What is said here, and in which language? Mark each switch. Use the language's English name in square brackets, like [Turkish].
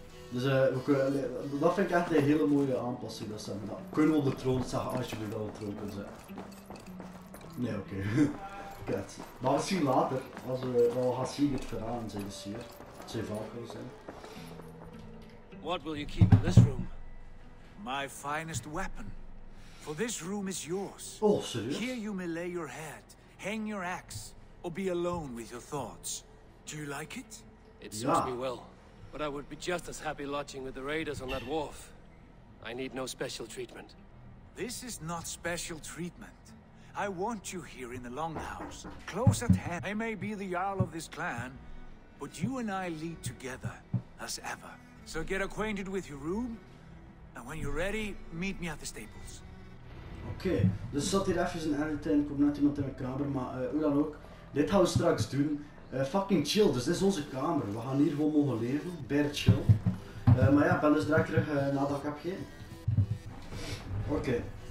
[Dutch] Dus dat vind ik echt een hele mooie aanpassing. Dat ze, nou, kunnen we op de troon zeggen, alsjeblieft dat we op de troon kunnen zetten. Nee, oké. Bobcat. Maar misschien later, als we wel gaan zien het verhaal zijn dus hier. Zijn valken zijn. [English] What will you keep in this room? My finest weapon. For this room is yours. [Dutch] Oh, serieus? [English] Here you may lay your head, hang your axe, or be alone with your thoughts. Do you like it? It suits me well. But I would be just as happy lodging with the raiders on that wharf. I need no special treatment. This is not special treatment. I want you here in the Longhouse, close at hand. I may be the Jarl of this clan, but you and I lead together, as ever. So get acquainted with your room, and when you're ready, meet me at the stables. [Dutch] Oké, dus zat hier even een hele tijd, komt net iemand in mijn kamer, maar hoe dan ook. Dit gaan we straks doen. Fucking chill, dus dit is onze kamer. We gaan hier gewoon mogen leven, bare chill. Maar ja, ik ben dus direct terug nadat ik heb gegeven. Oké.